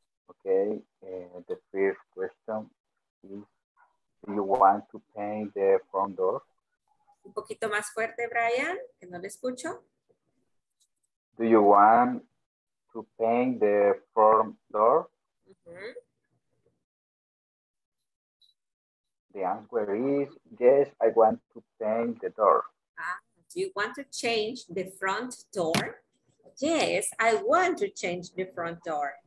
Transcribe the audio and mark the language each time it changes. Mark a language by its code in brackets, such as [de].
[en] Okay, the first question is, do you want to paint the front door? [es] Un poquito más fuerte, Brian, que no le escucho. [en] Do you want to paint the front door? The answer is, yes, I want to paint the door. Do you want to change the front door? Yes, I want to change the front door.